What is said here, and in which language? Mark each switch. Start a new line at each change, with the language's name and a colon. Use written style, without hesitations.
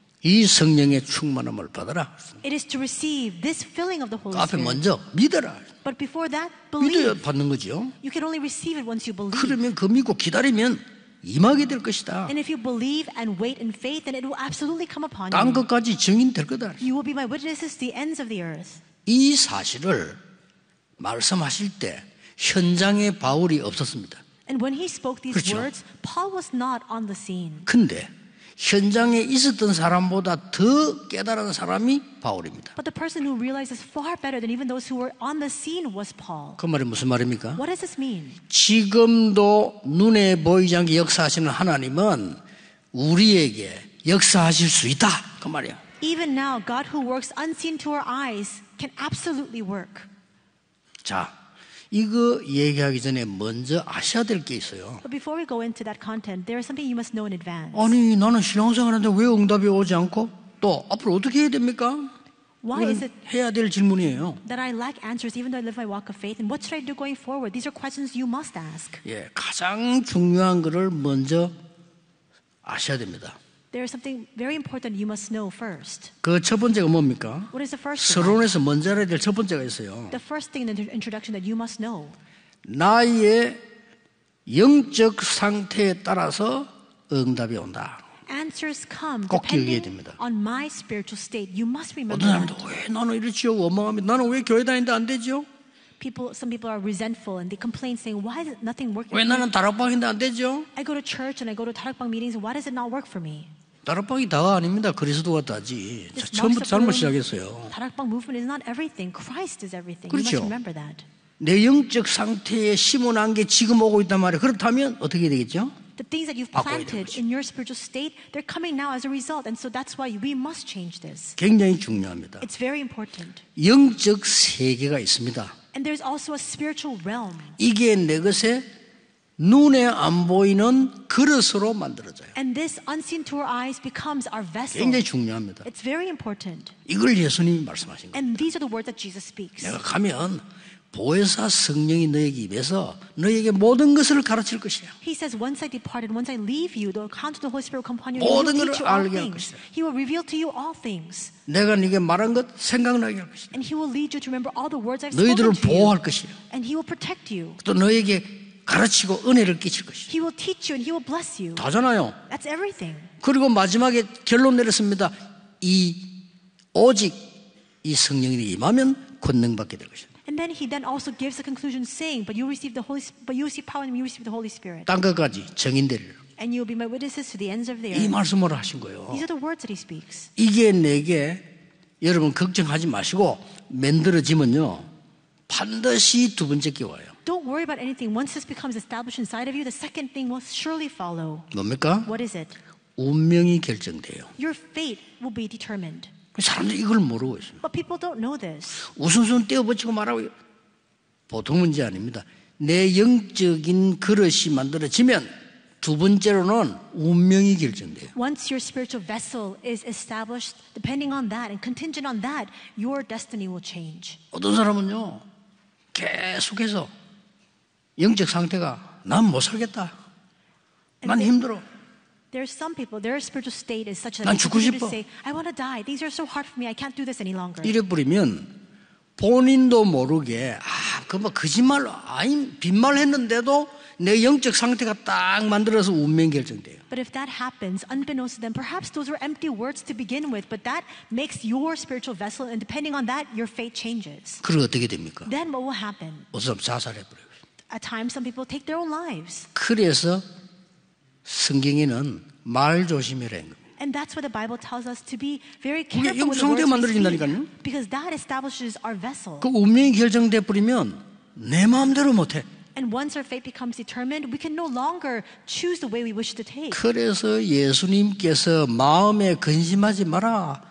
Korean: 이 성령의 충만함을 받아라.
English: It is to receive this filling of the Holy Spirit.
Korean: 앞에 먼저 믿어라.
English: But before that, believe.
Korean: 믿어야 받는 거죠.
English: You can only receive it once you believe.
Korean: 그러면 그 믿고 기다리면 임하게 될 것이다.
English: And if you believe and wait in faith, then it will absolutely come upon you.
Korean: 땅 끝까지 증인 될 거다.
English: You will be my witnesses to the ends of the earth.
Korean: 이 사실을 말씀하실 때 현장에 바울이 없었습니다.
English: And when he spoke these
Korean: 그렇죠.
English: words, Paul was not on the scene.
Korean: 근데 현장에 있었던 사람보다 더 깨달은 사람이 바울입니다.
English: But the person who realizes far better than even those who were on the scene was Paul.
Korean: 그 말이 무슨 말입니까?
English: What does this mean?
Korean: 지금도 눈에 보이지 않게 역사하시는 하나님은 우리에게 역사하실 수 있다. 그 말이야.
English: Even now, God who works unseen to our eyes can absolutely work.
Korean: 자, 이거 얘기하기 전에 먼저 아셔야 될 게 있어요.
English: But before we go into that content, there is something you must know in advance.
Korean: 아니, 나는 신앙생활하는데 왜 응답이 오지 않고 또 앞으로 어떻게 해야 됩니까?
English: Why is it
Korean: 해야 될 질문이에요.
English: That I lack answers even though I live my walk of faith and what should I do going forward? These are questions you must ask.
Korean: 예, 가장 중요한 거를 먼저 아셔야 됩니다.
English: There is something very important you must know first.
Korean: 그 첫 번째가 뭡니까?
English: What is the first?
Korean: 서론에서 먼저 알아야 될 첫 번째가 있어요.
English: The first thing in the introduction that you must know.
Korean: 나의 영적 상태에 따라서 응답이 온다.
English: Answers come
Korean: 꼭 기억해야 됩니다.
English: On my spiritual state, you must remember.
Korean: 어떤 사람도 왜 나는 이렇지 원망하면 나는 왜 교회 다니는데 안 되죠?
English: People, some people are resentful and they complain, saying, "Why is nothing working?"
Korean: 왜 나는 다락방인데 안 되죠?
English: I go to church and I go to 다락방 meetings. Why does it not work for me?
Korean: 다락방이 다가 아닙니다. 그리스도가 다지. 처음부터 잘못 시작했어요.
English: 다락방 movement is not everything. Christ is everything.
Korean: 그렇죠?
English: You must remember that.
Korean: 내 영적 상태에 심어놓은 게 지금 오고 있단 말이에요. 그렇다면 어떻게 되겠죠?
English: The things that you've planted in your spiritual state, they're coming now as a result, and so that's why we must change this.
Korean: 굉장히 중요합니다.
English: It's very important.
Korean: 영적 세계가 있습니다.
English: And there's also a spiritual realm.
Korean: 이게 내 것에 눈에 안 보이는 그릇으로 만들어져요.
English: And this unseen to our eyes becomes our vessel.
Korean: 굉장히 중요합니다.
English: It's very important.
Korean: 이걸 예수님이 말씀하신 겁니다.
English: And these are the words that Jesus speaks.
Korean: 내가 가면 보혜사 성령이 너에게 임해서 너에게 모든 것을 가르칠 것이야.
English: He says, once I depart and once I leave you, the counsel of the Holy Spirit will come upon you.
Korean: 모든 것을 알게 할 것이야.
English: He will reveal to you all things.
Korean: 내가 네게 말한 것 생각나게 할 것이야.
English: And he will lead you to remember all the words I've
Korean: 너희들을
English: spoken to
Korean: 보호할 것이야.
English: And he will protect you.
Korean: 또 너에게 가르치고 은혜를 끼칠 것이야.
English: He will teach you and he will bless you.
Korean: 다잖아요.
English: That's everything.
Korean: 그리고 마지막에 결론 내렸습니다. 이 오직 이 성령이 임하면 권능 받게 될 것이야.
English: And then he then also gives the conclusion, saying, "But you receive the Holy, but you receive power, and you receive the Holy Spirit."
Korean: 땅 끝까지 증인들.
English: And you will be my witnesses to the ends of the earth.
Korean: 이 말씀을 하신 거예요.
English: These are the words that he speaks.
Korean: 이게 내게 여러분 걱정하지 마시고 만들어지면요 반드시 두 번째 기회예요.
English: Don't worry about anything. Once this becomes established inside of you, the second thing will surely follow.
Korean: 뭡니까?
English: What is it?
Korean: 운명이 결정돼요.
English: Your fate will be determined.
Korean: 사람들 이걸 모르고 있습니다.
English: But people don't know this.
Korean: 우선순 떼어붙이고 말하고 보통 문제 아닙니다. 내 영적인 그릇이 만들어지면 두 번째로는 운명이 결정돼요.
English: Once your spiritual vessel is established, depending on that and contingent on that, your destiny will change.
Korean: 어떤 사람은요, 계속해서 영적 상태가 난 못 살겠다. 난 힘들어.
English: There are some people, their spiritual state is such that they continue to say, I want to die. Things are so hard for me. I can't do this any longer.
Korean: 이래버리면 본인도 모르게 아, 그 뭐 거짓말, 아니 빈말 했는데도 내 영적 상태가 딱 만들어서 운명 결정돼요.
English: But if that happens, unbeknownst to them, perhaps those were empty words to begin with, but that makes your spiritual vessel, and depending on that, your fate changes.
Korean: 그럼 어떻게 됩니까?
English: Then what will happen?
Korean: 어떤 자살해버려요.
English: At times, some people take their own lives.
Korean: 그래서 성경에는 말 조심이라는 겁니다.
English: And that's what the Bible tells us to be very careful with the words we speak.
Korean: 영적 상태가 만들어진다니까요.
English: Because that establishes our vessel.
Korean: 그 운명이 결정돼버리면 내 마음대로 못해.
English: And once our fate becomes determined, we can no longer choose the way we wish to take.
Korean: 그래서 예수님께서 마음에 근심하지 마라.